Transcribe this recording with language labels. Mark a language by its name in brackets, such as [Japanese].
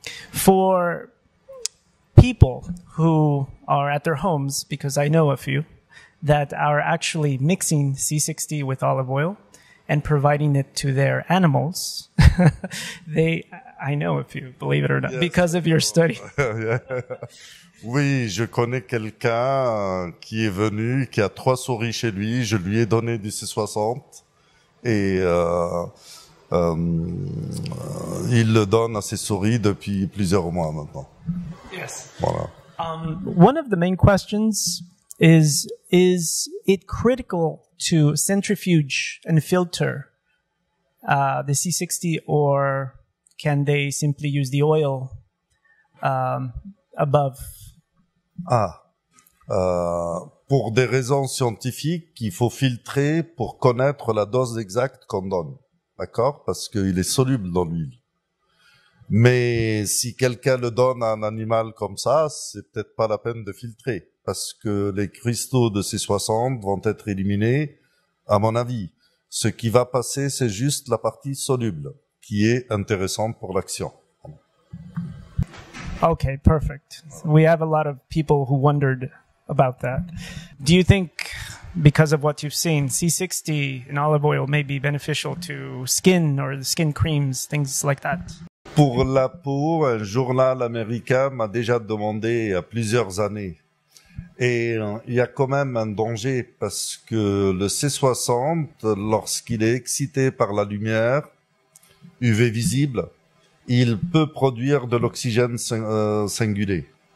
[English] For people who are at their homes, because I know a few, that are actually mixing C60 with olive oil and providing it to their animals, I know a few, believe it or not, yes, because of your study. [French] Oui, je connais quelqu'un qui est venu, qui a trois souris chez lui, je lui ai donné du C60 et il le donne à ses souris depuis plusieurs mois maintenant. [English] Yes. [French] Voilà. [English] One of the main questions is it critical to centrifuge and filter the C60, or can they simply use the oil above? [French] Pour des raisons scientifiques, il faut filtrer pour connaître la dose exacte qu'on donne, d'accord? Parce qu'il est soluble dans l'huile. Mais si quelqu'un le donne à un animal comme ça, c'est peut-être pas la peine de filtrer, parce que les cristaux de C60 vont être éliminés, à mon avis. Ce qui va passer, c'est juste la partie soluble, qui est intéressante pour l'action. [English] Okay, perfect. We have a lot of people who wondered about that. Do you think, because of what you've seen, C60 in olive oil may be beneficial to skin or the skin creams, things like that? [French] Pour la peau, un journal américain m'a déjà demandé il y a plusieurs années. Et il y a quand même un danger, parce que le C60, lorsqu'il est excité par la lumière UV visible, il peut produire de l'oxygène singulé.